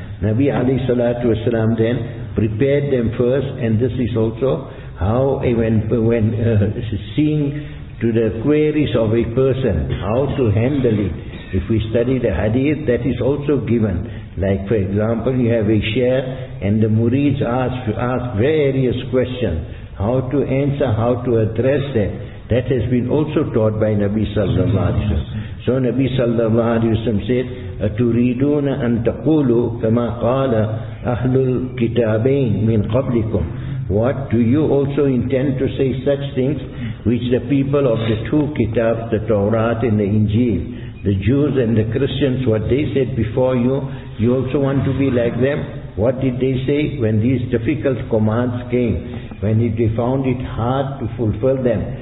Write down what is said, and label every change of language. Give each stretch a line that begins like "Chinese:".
English: Nabi alayhi salatu wasalam then prepared them first, and this is also how when seeing to the queries of a person, how to handle it, If we study the hadith, that is also given. Like for example, you have a sheikh and the murids ask various questions. How to answer, how to address them. That has been also taught by Nabi Sallallahu Alaihi Wasallam. So Nabi Sallallahu Alaihi Wasallam said,
Arabic: أَتُرِيدُونَ أَن تَقُولُوا كَمَا قَالَ أَهْلُ الْكِتَابَيْنِ مِنْ قَبْلِكُمْ.
English: What, do you also intend to say such things which the people of the two kitabs, the Torah and the Injil, the Jews and the Christians, what they said before you, you also want to be like them? What did they say when these difficult commands came, when they found it hard to fulfill them?